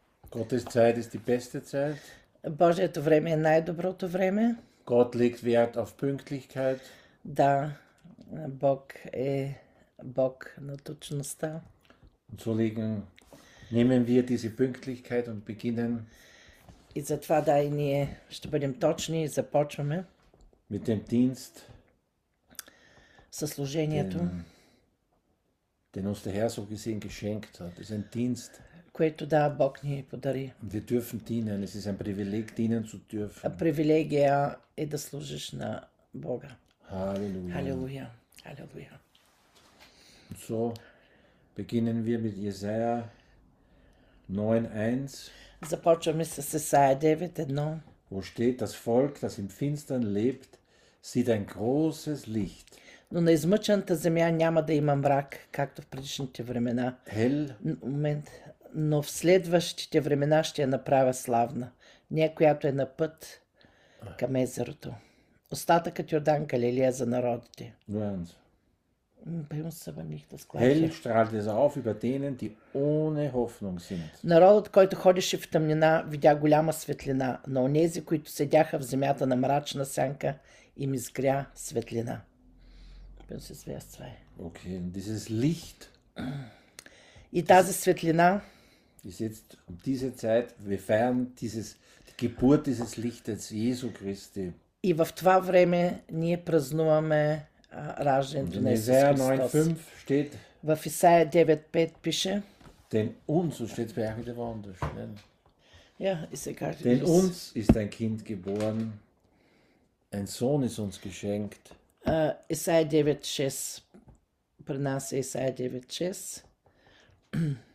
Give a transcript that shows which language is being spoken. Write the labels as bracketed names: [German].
[German] Gottes Zeit ist die beste Zeit. [Bulgarian] Божието време е най-доброто време. [German] Gott legt Wert auf Pünktlichkeit. [Bulgarian] Да, Бог е Бог на точността. [German] Und so legen, nehmen wir diese Pünktlichkeit und beginnen. [Bulgarian] И затова да и ние ще бъдем точни и започваме. [German] Mit dem Dienst. [Bulgarian] Със служението. [German] Den uns der Herr so gesehen geschenkt hat. Es ist ein Dienst. [Bulgarian] Което да Бог ни подари. [German] Wir dürfen dienen. Es ist ein Privileg, dienen zu dürfen. [Bulgarian] А привилегия е да служиш на Бога. [German] Halleluja. Halleluja. Halleluja. Und so beginnen wir mit Jesaja 9,1. [Bulgarian] Започваме с Исаия 9,1. [German] Wo steht, das Volk, das im Finstern lebt, sieht ein großes Licht. [Bulgarian] Но на измъчената земя няма да има мрак, както в предишните времена. [German] Hell. [Bulgarian] Момент. Но в следващите времена ще я направя славна. Нея, която е на път към езерото. Остатъкът Йордан, Галилея за народите. Нюанс. [German] Bei uns aber nicht das gleiche. Hell strahlt es auf über denen, die ohne Hoffnung sind. [Bulgarian] Народът, който ходеше в тъмнина, видя голяма светлина, но онези, които седяха в земята на мрачна сянка, им изгря светлина. [German] Bei uns ist vers 2. Okay, dieses Licht. [Bulgarian] И тази светлина. [German] Ist jetzt um diese Zeit, wir feiern dieses, die Geburt dieses Lichtes, Jesu Christi. [Bulgarian] И в това време ние празнуваме раждането на Исус [German] Христос. Steht, [Bulgarian] в Исаия 9,5 пише. [German] Denn uns, so steht es bei Ахмите Вандуш. Ja, ist egal. Denn uns ist ein Kind geboren, ein Sohn ist uns geschenkt. [Bulgarian] Исаия 9,6. При нас е Исаия 9,6.